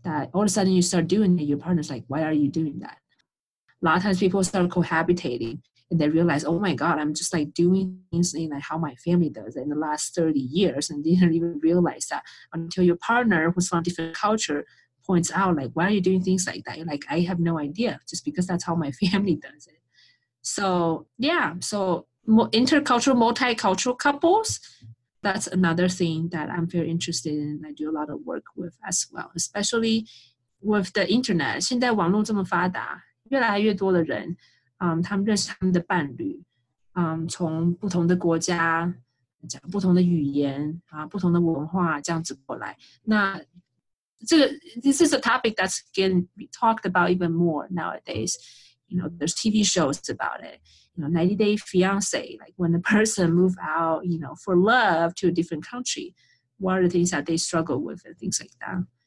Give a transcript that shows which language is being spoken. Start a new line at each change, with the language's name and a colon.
English: That all of a sudden you start doing it, your partner's like, why are you doing that? A lot of times people start cohabitating and they realize, oh my God, I'm just like doing things like how my family does in the last 30 years and didn't even realize that until your partner who's from a different culture points out, like, why are you doing things like that? You're like, I have no idea, just because that's how my family does it. So yeah, so intercultural, multicultural couples, that's another thing that I'm very interested in. I do a lot of work with as well, especially with the internet.
Chinese: 现在网络这么发达，越来越多的人，他们认识他们的伴侣，从不同的国家，讲不同的语言，不同的文化，这样子过来。那这个
English: this is a topic that's getting talked about even more nowadays. You know, there's TV shows about it. You know, 90 Day Fiancé, like when the person moves out, you know, for love to a different country, what are the things that they struggle with and things like that?